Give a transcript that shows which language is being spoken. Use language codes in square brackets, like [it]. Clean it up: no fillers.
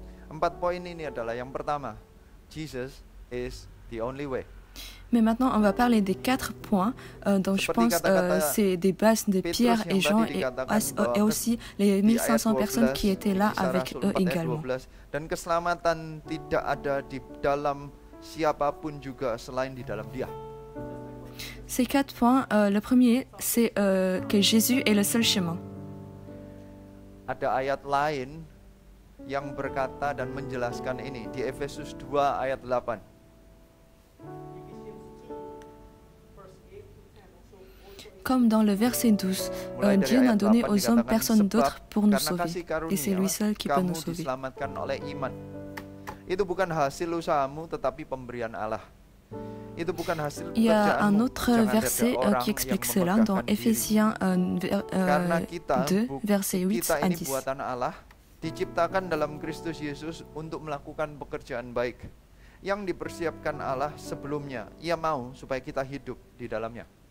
[id] Empat poin ini adalah yang pertama. [en] Jesus is the only way. [fr] Mais maintenant on va parler des quatre points dont je pense c'est des bases de Pierre et Jean et aussi les 1500 personnes qui étaient là avec eux également. [id] Dan keselamatan tidak ada di dalam siapapun juga selain di dalam Dia. [fr] Ces quatre points, le premier c'est que Jésus est le seul chemin. [id] ada ayat lain yang berkata dan menjelaskan ini di Efesus 2 ayat 8. [fr] Comme dans le verset 12, Dieu n'a donné aux hommes personne d'autre pour nous sauver. Et c'est lui seul qui peut nous sauver. [id] Kamu diselamatkan oleh iman. Itu bukan hasil usahamu, tetapi pemberian Allah. Itu bukan hasil pekerjaanmu. [fr] Il y a un autre verset qui explique cela dans Ephésiens 2, verset 8 à 10. [id] Kita ini buatan Allah, diciptakan dalam Kristus Yesus untuk melakukan pekerjaan baik yang dipersiapkan Allah sebelumnya. Ia mau supaya kita hidup di dalamnya.